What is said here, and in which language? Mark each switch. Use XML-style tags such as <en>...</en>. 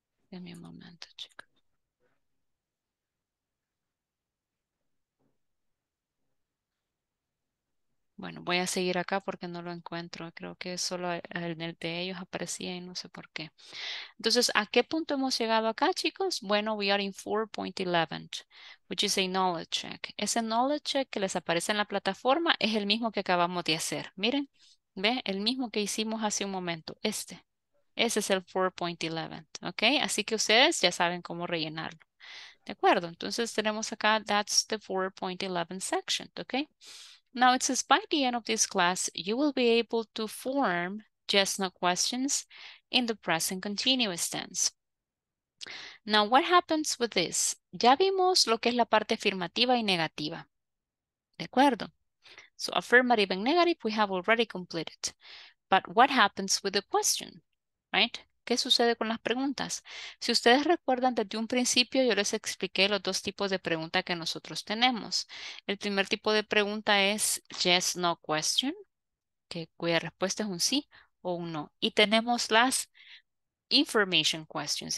<es>Dame un momento, chicos. Bueno, voy a seguir acá porque no lo encuentro. Creo que solo en el de ellos aparecía y no sé por qué. Entonces, ¿a qué punto hemos llegado acá, chicos?</es> <en>Bueno, we are in 4.11, which is a knowledge check.</en> <es>Ese knowledge check que les aparece en la plataforma es el mismo que acabamos de hacer. Miren, ¿ve? El mismo que hicimos hace un momento. Este. Ese es el 4.11, ¿ok? Así que ustedes ya saben cómo rellenarlo. ¿De acuerdo? Entonces, tenemos acá,</es> <en>that's the 4.11 section,</en> <es>¿ok?</es> <en>Now, it says, by the end of this class, you will be able to form yes no questions in the present continuous tense. Now, what happens with this?</en> <es>Ya vimos lo que es la parte afirmativa y negativa. ¿De acuerdo?</es> <en>So, affirmative and negative, we have already completed. But what happens with the question? Right?</en> <es>¿Qué sucede con las preguntas? Si ustedes recuerdan, desde un principio yo les expliqué los dos tipos de pregunta que nosotros tenemos. El primer tipo de pregunta es yes, no question, que cuya respuesta es un sí o un no. Y tenemos las information questions.</es>